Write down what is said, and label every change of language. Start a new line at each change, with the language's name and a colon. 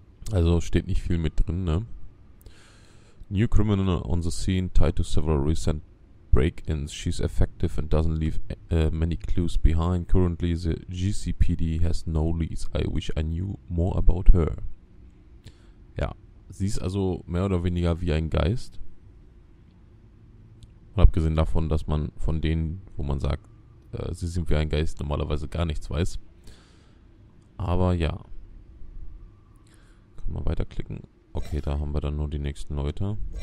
German: Also steht nicht viel mit drin, ne?
English: New criminal on the scene, tied to several recent break-ins. She's effective and doesn't leave many clues behind. Currently the GCPD has no leads. I wish I knew more about her.
German: Ja, sie ist also mehr oder weniger wie ein Geist. Und abgesehen davon, dass man von denen, wo man sagt, sie sind wie ein Geist, normalerweise gar nichts weiß. Aber ja. Mal weiterklicken. Okay, da haben wir dann nur die nächsten Leute.